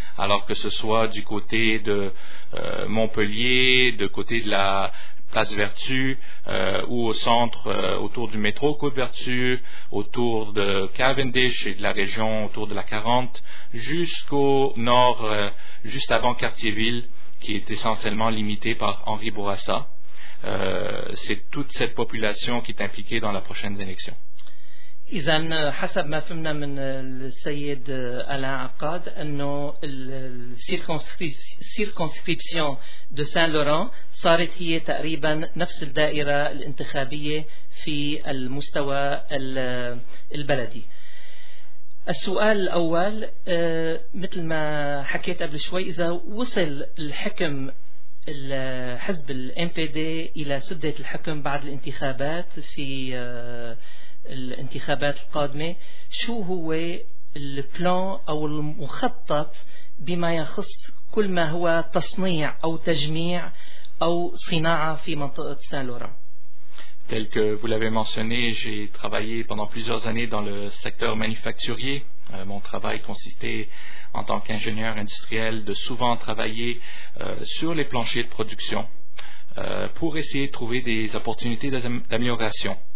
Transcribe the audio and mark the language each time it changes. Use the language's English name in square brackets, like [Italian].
[French] Alors que ce soit du côté de Montpellier, de côté de la Place Vertu, ou au centre, autour du métro Côte-Vertu, autour de Cavendish et de la région autour de la 40, jusqu'au nord, juste avant Cartierville, qui est essentiellement limité par Henri Bourassa. C'est toute cette population qui est impliquée dans la prochaine élection. [Arabic] إذن حسب ما فهمنا من السيد ألان عقاد أنه السيركونسكريبسيون دو سان لوران صارت هي تقريبا نفس الدائرة الانتخابية في المستوى البلدي. السؤال الأول مثل ما حكيت قبل شوي, إذا وصل الحكم الحزب الـ MPD إلى سدة الحكم بعد الانتخابات في الانتخابات القادمة, شو هو البلان أو المخطط بما يخص كل ما هو تصنيع أو تجميع أو صناعة في منطقة سان لوران؟ [French] Tel que vous l'avez mentionné, j'ai travaillé pendant plusieurs années dans le secteur manufacturier. Mon travail consistait en tant qu'ingénieur industriel de souvent travailler sur les planchers de production pour essayer de trouver des opportunités d'amélioration.